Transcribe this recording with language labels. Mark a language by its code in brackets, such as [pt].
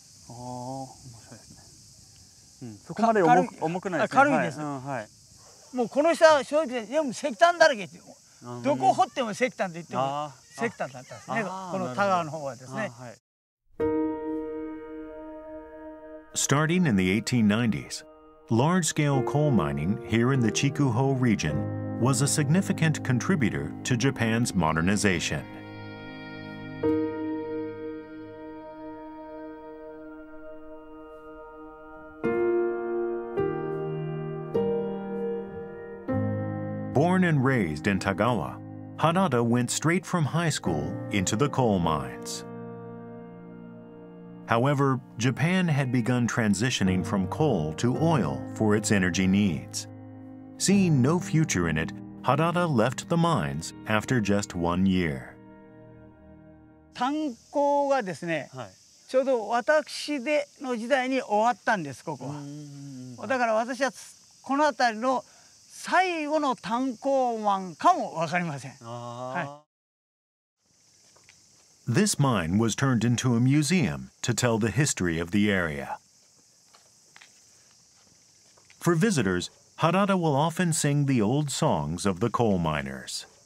[ja] ああ、面白いですね。そこまで 重くないですね。軽いです。はい、うん、はい、もうこの下は正直でも石炭だらけですよ。どこ掘っても石炭と言っても石炭だったんですね。この田川の方はですね。 [en] Starting in the 1890s, large-scale coal mining here in the Chikuho region was a significant contributor to Japan's modernization. Born and raised in Tagawa, Harada went straight from high school into the coal mines. However, Japan had begun transitioning from coal to oil for its energy needs. Seeing no future in it, Harada left the mines after just 1 year. [ja] 炭鉱がですね、はい、ちょうど私での時代に終わったんです、ここは。だから私はこの辺りの最後の炭鉱マンかも分かりません。あ、はい。 [en] This mine was turned into a museum to tell the history of the area. For visitors, Harada will often sing the old songs of the coal miners.